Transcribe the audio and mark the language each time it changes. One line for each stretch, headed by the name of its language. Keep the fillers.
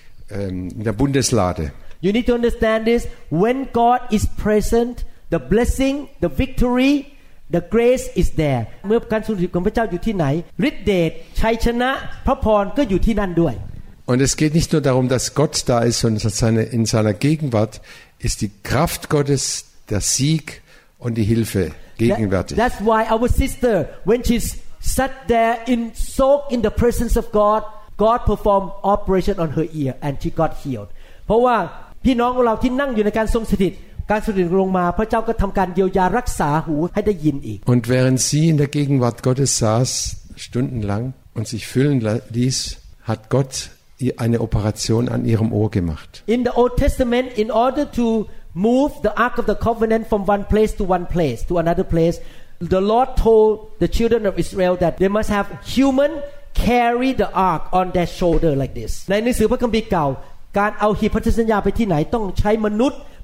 English: ähm, um,
German: in der Bundeslade
English: you need to understand this when God is present the blessing the victory the grace is there
Thai: เมื่อการทรงสถิตของพระเจ้าอยู่ที่ไหนฤทธิเดชชัยชนะพระพรก็อยู่ที่นั่นด้วย
German: Und es geht nicht nur darum, dass Gott da ist, sondern dass seine, in seiner Gegenwart ist die Kraft Gottes, der Sieg und die Hilfe gegenwärtig.
English: That, that's why our sister, when she sat there in soak in the presence of God, God performed operation on her ear and she got healed.
Thai: เพราะว่าพี่น้องของเราที่นั่งอยู่ในการทรงสถิตการสุดิลงมาพระเจ้าก็ทำการเยียวยารักษาหูให้ได้ยินอีก
German: und während sie in der Gegenwart Gottes saß stundenlang und sich füllen ließ hat Gott eine Operation an ihrem Ohr gemacht
English: in the Old Testament in order to move the Ark of the Covenant from one place to one place to another place the Lord told the children of Israel that they must have human carry the Ark on their shoulder like this
Thai: ในหนังสือพระคัมภีร์เก่าการเอาหีบพันธสัญญาไปที่ไหนต้องใช้มนุษย์